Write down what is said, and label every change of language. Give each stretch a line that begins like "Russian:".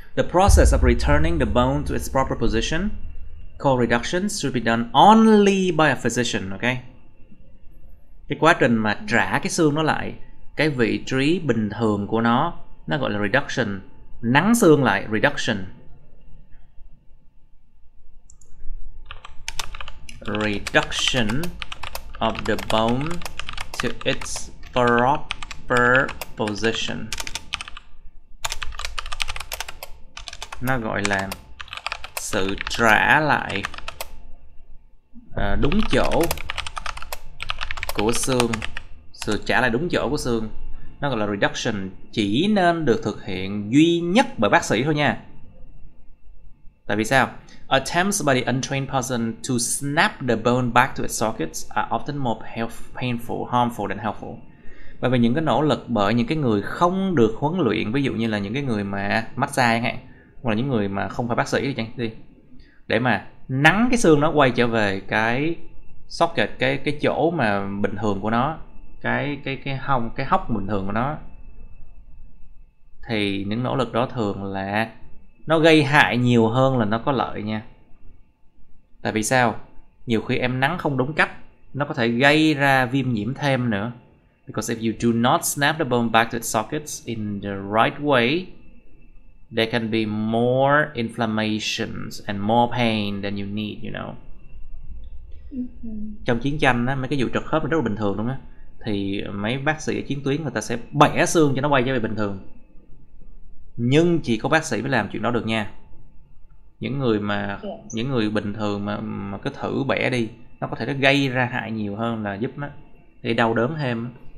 English: The process of returning the bone to its proper position called reduction should be done only by a physician, okay?
Vietnamese: Cái quá trình mà trả cái xương nó lại cái vị trí bình thường của nó gọi là reduction, nắn xương lại, reduction.
English: Reduction of the bone to its proper position.
Vietnamese: Nó gọi là sự trả lại đúng chỗ của xương. Sự trả lại đúng chỗ của xương, nó gọi là reduction, chỉ nên được thực hiện duy nhất bởi bác sĩ thôi nha. Tại vì sao?
English: Attempts by the untrained person to snap the bone back to its sockets are often more painful, harmful than helpful.
Vietnamese: Bởi vì những cái nỗ lực bởi những cái người không được huấn luyện, ví dụ như là những cái người mà massage chẳng hạn, hoặc là những người mà không phải bác sĩ chẳng hạn, để mà nắn cái xương nó quay trở về cái socket, cái chỗ mà bình thường của nó, cái hốc bình thường của nó, thì những nỗ lực đó thường là nó gây hại nhiều hơn là nó có lợi nha. Tại vì sao? Nhiều khi em nắn không đúng cách, nó có thể gây ra viêm nhiễm thêm nữa.
English: Because if you do not snap the bone back to its sockets in the right way, there can be more inflammation and more pain than you need, you know.
Vietnamese: Trong chiến tranh á, mấy cái vụ trật khớp rất là bình thường luôn á. Thì mấy bác sĩ ở chiến tuyến người ta sẽ bẻ xương cho nó quay trở về bình thường. Nhưng chỉ có bác sĩ mới làm chuyện đó được nha. Những người mà những người bình thường mà cứ thử bẻ đi, nó có thể nó gây ra hại nhiều hơn là giúp nó gây đau đớn thêm.